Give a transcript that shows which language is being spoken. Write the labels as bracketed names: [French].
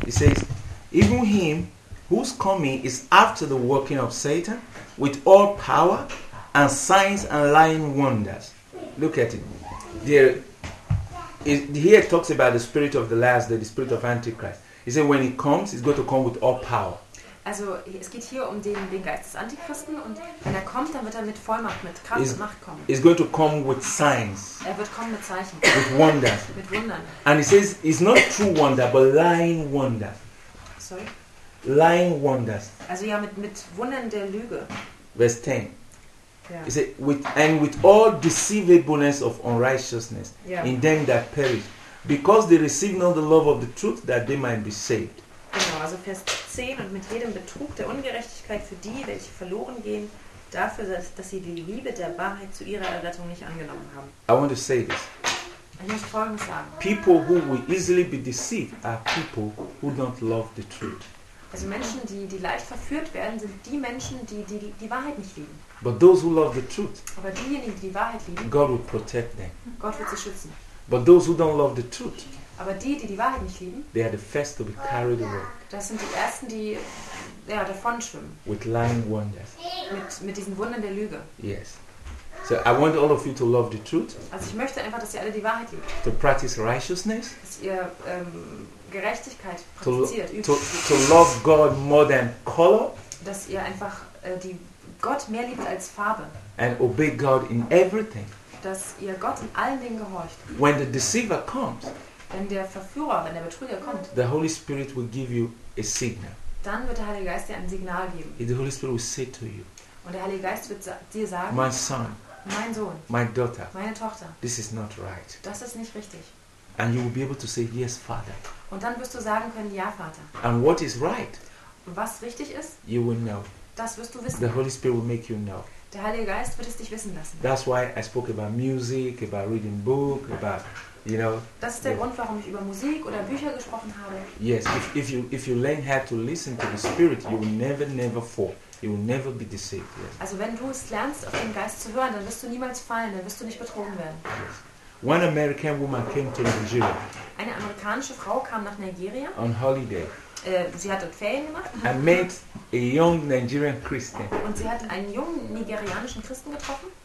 [English] It says, even him whose coming is after the working of Satan with all power and signs and lying wonders. Look at it. Here it talks about the spirit of the last day, the spirit of Antichrist. He said when he comes, he's going to come with all power. [German] Also es geht hier um den Geist des Antichristen und wenn er kommt, dann wird er mit Vollmacht, mit Kraft und Macht kommen. [English] He's going to come with signs. [German] Er wird kommen mit Zeichen. [English] With wonders. [German] Mit Wundern. [English] And he says it's not true wonder, but lying wonder. Sorry? Lying wonders. [German] Also ja, mit Wundern der Lüge. [English] Verse 10. Yeah. It says, with all deceivableness of unrighteousness yeah. in them that perish, because they receive not the love of the truth that they might be saved. [German] Genau, also Vers 10. Und mit jedem Betrug der Ungerechtigkeit für die, welche verloren gehen, dafür, dass sie die Liebe der Wahrheit zu ihrer Errettung nicht angenommen haben. [English] I want to say this. [German] Ich muss Folgendes sagen. [English] People who will easily be deceived are people who don't love the truth. [German] Also Menschen, die leicht verführt werden, sind die Menschen, die Wahrheit nicht lieben. [English] But those who love the truth, [German] aber diejenigen, die Wahrheit lieben, [English] God will protect them. [German] Gott wird sie schützen. [English] But those who don't love the truth, [German] aber die Wahrheit nicht lieben, [English] they are the first to be carried away. [German] Das sind die Ersten, die ja, davon schwimmen. [English] With lying wonders. [German] Mit diesen Wundern der Lüge. [English] Yes. So I want all of you to love the truth, [German] also ich möchte einfach, dass ihr alle die Wahrheit liebt. [English] To practice righteousness. [German] Dass ihr, Gerechtigkeit praktiziert, [English] to love God more than color, [German] dass ihr einfach die Gott mehr liebt als Farbe, [English] and obey God in everything, [German] dass ihr Gott in allen Dingen gehorcht. [English] When the deceiver comes, [German] wenn der Verführer, wenn der Betrüger kommt, [English] the Holy Spirit will give you a signal. [German] Dann wird der Heilige Geist dir ein Signal geben. [English] The Holy Spirit will say to you, [German] und der Heilige Geist wird dir sagen, [English] my son, [German] mein Sohn, [English] my daughter, [German] meine Tochter, [English] this is not right. [German] Das ist nicht richtig. [English] And you will be able to say, yes, Father. [German] Und dann wirst du sagen können, ja, Vater. [English] And what is right? [German] Was richtig ist? [English] You will know. [German] Das wirst du wissen. [English] The Holy Spirit will make you know. [German] Der Heilige Geist wird es dich wissen lassen. [English] That's why I spoke about music, about reading book, about, you know. [German] Das ist der Grund, warum ich über Musik oder Bücher gesprochen habe. [English] Yes, if you learn how to listen to the Spirit, you will never fall. You will never be deceived. Yes. [German] Also wenn du es lernst, auf den Geist zu hören, dann wirst du niemals fallen, dann wirst du nicht betrogen werden. [English] Yes. One American woman came to Nigeria. [German] Eine amerikanische Frau kam nach Nigeria. [English] On holiday. [German] Sie hat dort Ferien gemacht. [English] And met a young Nigerian Christian. [German] Und sie hat einen jungen nigerianischen Christen getroffen.